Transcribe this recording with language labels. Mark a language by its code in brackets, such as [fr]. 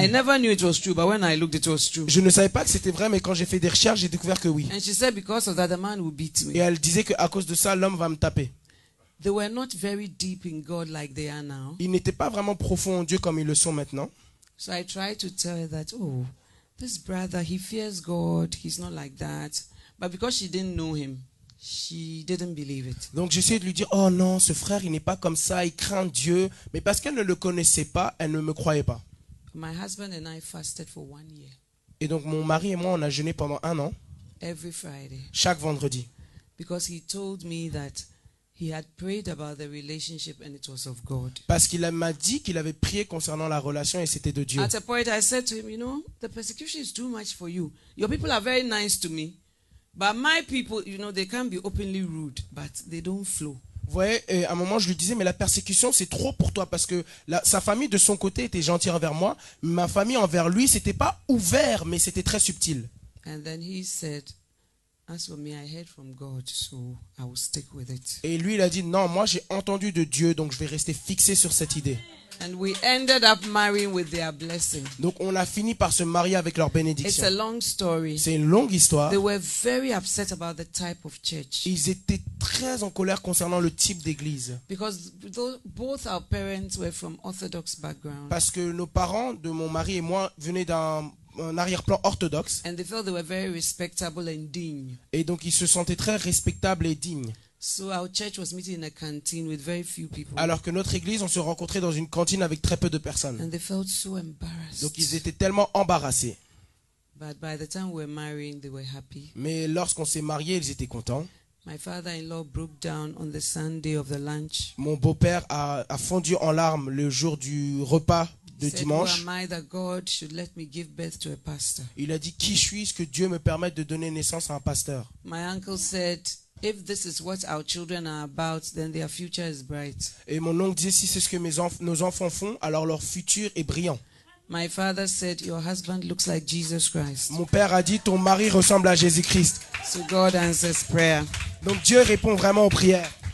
[en] I never knew it was true, but when I looked it was true. [fr] Je ne savais pas que c'était vrai, mais quand j'ai fait des recherches j'ai découvert que oui. [en] And she said because of that the man will beat me. [fr] Et elle disait que à cause de ça l'homme va me taper. [en] They were not very deep in God like they are now. [fr] Ils n'étaient pas vraiment profonds en Dieu comme ils le sont maintenant. [en] So I tried to tell her that oh this brother he fears God he's not like that. But because she didn't know him, she didn't believe it. [fr] Donc j'essayais de lui dire, oh non, ce frère, il n'est pas comme ça, il craint Dieu. Mais parce qu'elle ne le connaissait pas, elle ne me croyait pas. [en] My husband and I fasted for 1 year. [fr] Et donc mon mari et moi, on a jeûné pendant 1 an. [en] Every Friday. [fr] Chaque vendredi. [en] Because he told me that he had prayed about the relationship and it was of God. [fr] Parce qu'il m'a dit qu'il avait prié concernant la relation et c'était de Dieu. [en] At a point, I said to him, you know, the persecution is too much for you. Your people are very nice to me. But my people, you know, they can be openly rude, but they don't flow. [fr] Vous voyez, et à un moment, je lui disais, mais la persécution, c'est trop pour toi, parce que sa famille, de son côté, était gentille envers moi. Ma famille, envers lui, c'était pas ouvert, mais c'était très subtil. [en] And then he said, as for me, I heard from God, so I will stick with it. [fr] Et lui, il a dit, non, moi, j'ai entendu de Dieu, donc je vais rester fixé sur cette idée. [en] And we ended up marrying with their blessing. [fr] Donc on a fini par se marier avec leur bénédiction. [en] It's a long story. [fr] C'est une longue histoire. [en] They were very upset about the type of church. [fr] Ils étaient très en colère concernant le type d'église. [en] Because both our parents were from orthodox background. [fr] Parce que nos parents de mon mari et moi venaient d'un arrière-plan orthodoxe. [en] And they felt they were very respectable and digne. [fr] Et donc ils se sentaient très respectables et dignes. [en] So our church was meeting in a canteen with very few people. [fr] Alors que notre église, on se rencontrait dans une cantine avec très peu de personnes. [en] And they felt so embarrassed. [fr] Donc ils étaient tellement embarrassés. [en] But by the time we were marrying, they were happy. [fr] Mais lorsqu'on s'est mariés, ils étaient contents. [en] My father-in-law broke down on the Sunday of the lunch. [fr] Mon beau-père a fondu en larmes le jour du repas de dimanche. [en] Said, "Who am I that God should let me give birth to a pastor?" [fr] Il a dit, qui suis-je que Dieu me permette de donner naissance à un pasteur? [en] My uncle said, if this is what our children are about, then their future is bright. [fr] Et mon oncle dit, si c'est ce que nos enfants font, alors leur futur est brillant. [en] My father said, your husband looks like Jesus Christ. [fr] Mon père a dit, ton mari ressemble à Jésus Christ. [en] So God answers prayer. [fr] Donc Dieu répond vraiment aux prières.